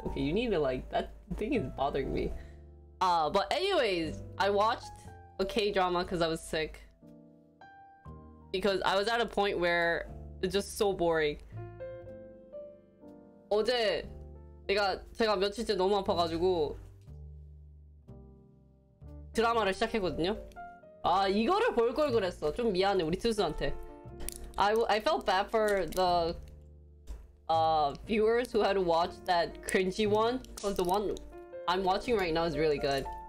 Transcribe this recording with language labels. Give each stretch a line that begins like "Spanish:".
English: Okay, you need to like, that thing is bothering me. But anyways, I watched a K-drama because I was sick. Because I was at a point where it's just so boring.
Korean: 어제 제가 며칠째 너무 아파가지고 드라마를 시작했거든요. 아 이거를 볼 걸 그랬어. 좀 미안해 우리 투수한테.
English: I felt bad for the viewers who had to watch that cringy one. Cause the one I'm watching right now is really good.